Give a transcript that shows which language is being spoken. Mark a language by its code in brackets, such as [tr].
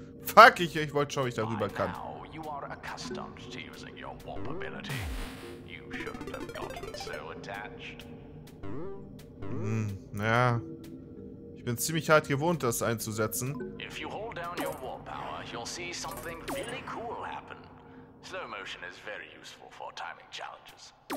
[de] Fuck, ich wollte schauen, ob ich darüber kann. [en] You are accustomed to using your warp ability. You shouldn't have gotten so attached. [de] Ja. Ich bin ziemlich hart gewohnt, das einzusetzen. [en] If you hold down your warp power, you'll see something really cool happen. Slow motion is very useful for timing challenges.